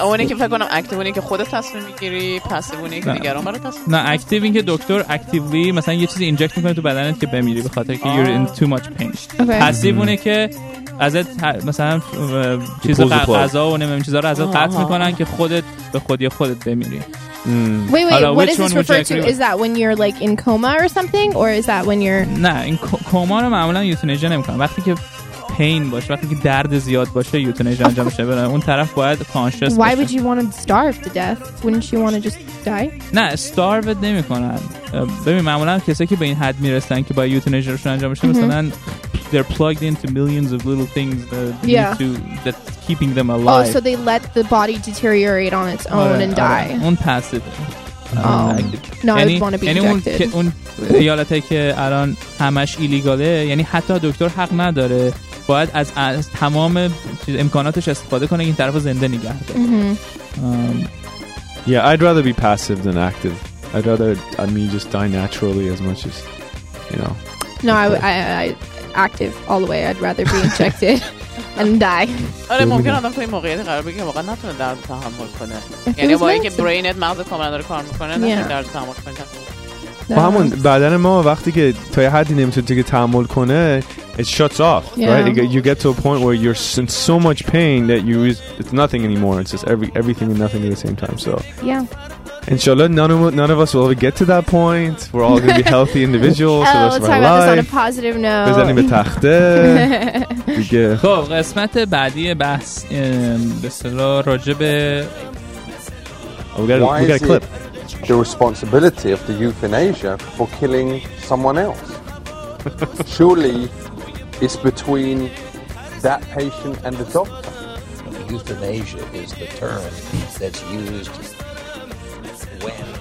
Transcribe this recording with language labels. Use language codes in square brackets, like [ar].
[fa] اونی که فکر کنم اکتیو اونی که خودت تصمیم میگیری، پسیو اونی که دیگران برات تصمیم. نه، اکتیو این که دکتر اکتیولی مثلا یه چیزی اینجکت میکنه تو بدنت که بمیری به خاطر که [en] you're in too much pain. [fa] پسیو اونی که ازت مثلا چیز غذا و نمیدونم چیزا رو ازت قطع میکنن که خودت به خودی خودت بمیری. [en] Wait, what is this referred to? Is that when you're like in coma or something, or is that when you're [fa] نه، این کوما رو معمولا یوتنیجا نمیکنن. وقتی که pain باشه، وقتی که درد زیاد باشه یوتنیج انجام میشه، برای اون طرف باید conscious باشه. [en] Why would you want to starve to death? Wouldn't you want to just die? [fa] نه، starve نمی کنن. ببین، معمولا کسی که به این حد میرسن که با یوتنیج روشون انجام میشه، مثلا [en] they're plugged into millions of little things that's keeping them alive. Oh, so they let the body deteriorate on its own and die. [fa] اون passive. [en] No, I would want to be injected. [fa] اون ایالت هایی که الان همش ایلیگاله، یعنی حتی دکتر حق نداره، باید از تمام امکاناتش استفاده کنه که این طرف رو زنده نگه داره. [en] Yeah, I'd rather be passive than active. I'd rather, I mean, just die naturally as much as, you know. No, I active all the way. I'd rather be injected and die. [fa] آره، ممکن آدم توی موقعیت قرار بگیره واقعا نتونه درد تحمل کنه. یعنی با اینکه برینت مغز کاملا داره کار میکنه، نتونه درد تحمل کنه. با همون بدن ما وقتی که تا یه حدی نمیتونه دیگه تحمل کنه، [en] it shuts off. Yeah. Right? You get to a point where you're in so much pain that you it's nothing anymore. It's just everything and nothing at the same time. So yeah. Inshallah, none of us will ever get to that point. We're all going to be healthy individuals. Let's talk about this on a positive note. [fa] بزنیم به تخته. خب، قسمت بعدی بحث به اصطلاح راجع به [en] we got a clip. The responsibility of the euthanasia for killing someone else. Surely it's between that patient and the doctor. Euthanasia is the term that's used when